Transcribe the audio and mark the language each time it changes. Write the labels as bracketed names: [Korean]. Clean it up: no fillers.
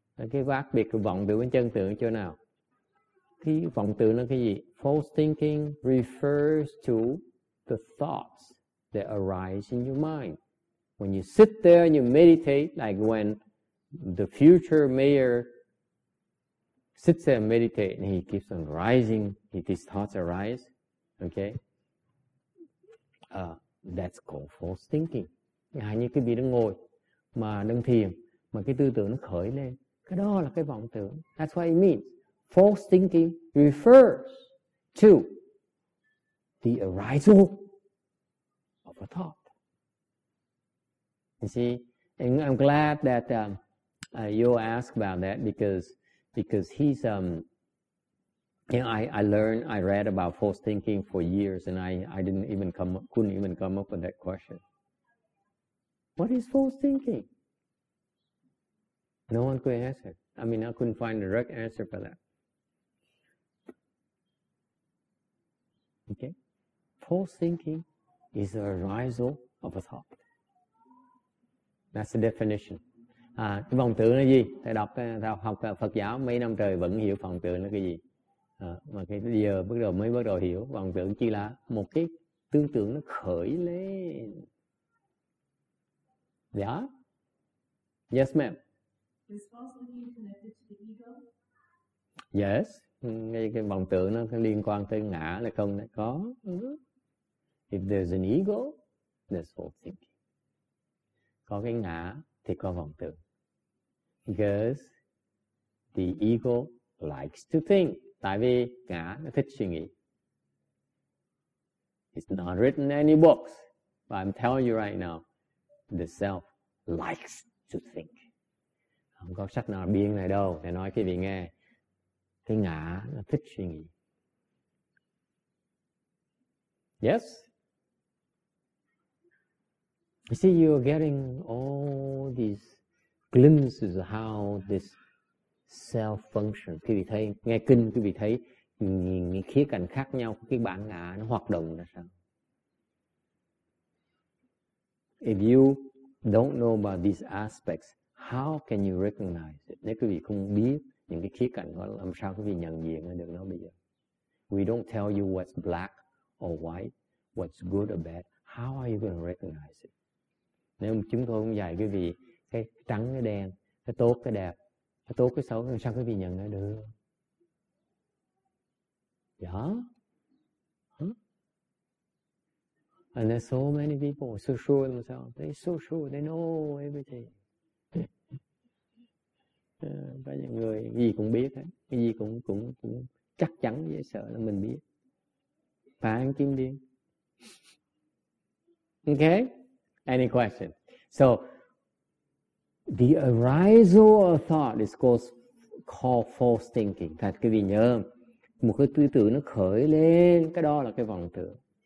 [Vietnamese] Cái khác biệt của vọng tưởng với chân tưởng ở chỗ nào? Cái vọng tưởng là cái gì? [English] False thinking refers to the thoughts that arise in your mind. When you sit there and you meditate, like when the future mayor sits there and meditates and he keeps on rising, his thoughts arise, okay? That's called false thinking. [Vietnamese] Hay như cái vị đang ngồi mà đang thiền mà cái tư tưởng nó khởi lên. Cái đó là cái vọng tưởng. [English] That's what it means. False thinking refers to the arisal of a thought. You see, and I'm glad that you asked about that because he's I read about false thinking for years and I couldn't even come up with that question. What is false thinking? No one could answer. I mean, I couldn't find the direct answer for that. Okay? False thinking is the arisal of a thought. That's the definition. [Vietnamese] À, cái vọng tưởng là gì? Thầy đọc, thầy học Phật giáo mấy năm trời vẫn hiểu vọng tưởng là cái gì. À, mà cái giờ mới bắt đầu hiểu vọng tưởng chỉ là một cái tư tưởng nó khởi lên. [English] Yeah? Yes, ma'am. Is false thinking connected to the ego? [Vietnamese] Yes, cái vọng tưởng nó liên quan tới ngã là không đấy có. [English] If there's an ego, there's false thinking. [Vietnamese] Có cái ngã thì có vọng tưởng. [English] Because the ego likes to think. [Vietnamese] Tại vì ngã nó thích suy nghĩ. [English] It's not written in any books, but I'm telling you right now, the self likes to think. [Vietnamese] Không có sách nào biên này đâu. Để nói quý vị nghe. Cái ngã nó thích suy nghĩ. [English] Yes? You see, you're getting all these glimpses of how this self functions. [Vietnamese] Quý vị thấy, nghe kinh, quý vị thấy những khía cạnh khác nhau của cái bản ngã nó hoạt động là sao? [English] If you don't know about these aspects, how can you recognize it? [Vietnamese] Nếu quý vị không biết, những cái khía cạnh đó làm sao quý vị nhận diện được nó bây giờ. [English] We don't tell you what's black or white, what's good or bad. How are you going to recognize it? [Vietnamese] Nếu chúng tôi không dạy quý vị cái trắng cái đen, cái tốt cái đẹp, cái tốt cái xấu, làm sao quý vị nhận nó được? Dạ. [English] And there's so many people so sure of themselves. They're so sure. They know everything. [Vietnamese] Có những người gì cũng biết hết, cái gì cũng chắc chắn dễ sợ là mình biết. Phải ăn kim điên. [English] Okay? Any question? So, the arisal of thought is called false thinking. [Vietnamese] Thật quý vị nhớ, một cái tư tưởng nó khởi lên, cái đó là cái vọng tưởng.